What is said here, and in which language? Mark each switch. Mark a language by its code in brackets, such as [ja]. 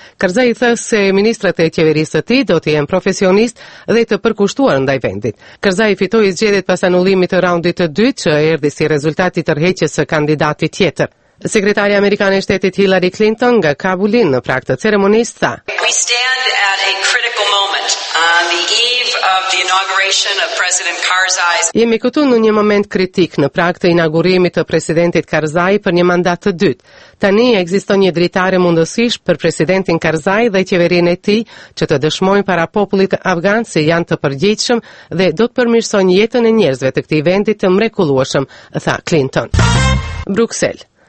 [sq] Karzai tha se ministrat e qeverisë së tij do të jenë profesionist dhe të përkushtuar ndaj vendit. Karzai fitoi zgjedhjet pas anullimit të raundit të dytë që erdhi si rezultat i tërheqjes së kandidatit tjetër. Sekretarja amerikane e shtetit Hillary Clinton nga Kabulin në prag të ceremonisë tha: [en] "We stand at a critical moment on the eve of the inauguration of President Karzai." [sq] Jemi këtu në një moment kritik në prag të inaugurimit të presidentit Karzai për një mandat të dytë. Tani ekziston një dritare mundësish për presidentin Karzai dhe qeverinë e tij që të dëshmojnë para popullit afgan se janë të përgjithshëm dhe do të përmirësojnë jetën e njerëzve të këtij vendi të mrekullueshëm, tha Clinton. Bruxelles.